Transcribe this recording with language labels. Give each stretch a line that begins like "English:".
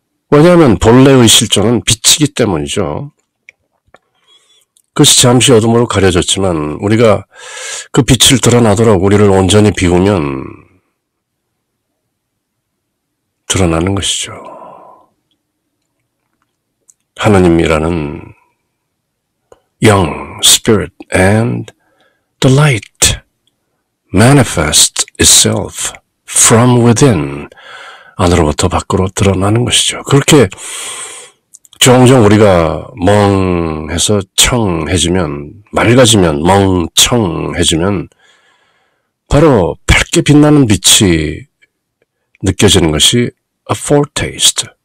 Korean: 왜냐하면 본래의 실존은 빛이기 때문이죠. 그것이 잠시 어둠으로 가려졌지만 우리가 그 빛을 드러나도록 우리를 온전히 비우면 드러나는 것이죠. 하느님이라는
English: young spirit and the light manifests itself from within.
Korean: 안으로부터 밖으로 드러나는 것이죠. 그렇게 종종 우리가 멍해서 청해지면, 맑아지면, 멍청해지면 바로 밝게 빛나는 빛이 느껴지는 것이 a foretaste.